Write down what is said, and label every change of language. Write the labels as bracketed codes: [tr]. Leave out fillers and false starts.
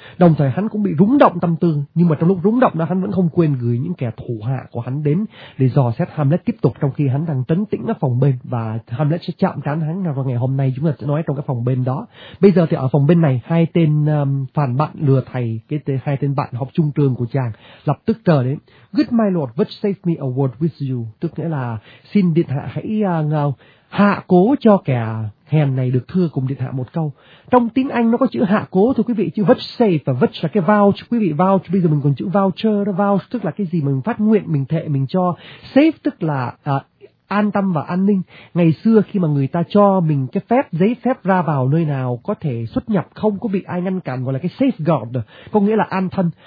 [vi] Đồng thời hắn cũng bị rúng động tâm tư, nhưng mà trong lúc rúng động đó hắn vẫn không quên gửi những kẻ thủ hạ của hắn đến để dò xét Hamlet tiếp tục, trong khi hắn đang trấn tĩnh ở phòng bên, và Hamlet sẽ chạm trán hắn vào ngày hôm nay chúng ta sẽ nói trong cái phòng bên đó. Bây giờ thì ở phòng bên này, hai tên phản bạn lừa thầy, hai tên bạn học chung trường của chàng lập tức trở đến. [en] Good my lord, but save me a word with you. [vi] Tức nghĩa là xin điện hạ hãy hạ cố cho kẻ hèn này được thưa cùng điện hạ một câu. Trong tiếng Anh nó có chữ hạ cố thôi quý vị, chữ vouchsafe và vouch là cái vouch quý vị, vouch bây giờ mình còn chữ voucher đó, vouch tức là cái gì mà mình phát nguyện, mình thệ, mình cho. Safe tức là an tâm và an ninh. Ngày xưa khi mà người ta cho mình cái phép, giấy phép ra vào nơi nào có thể xuất nhập không có bị ai ngăn cản, gọi là cái safeguard, có nghĩa là an thân.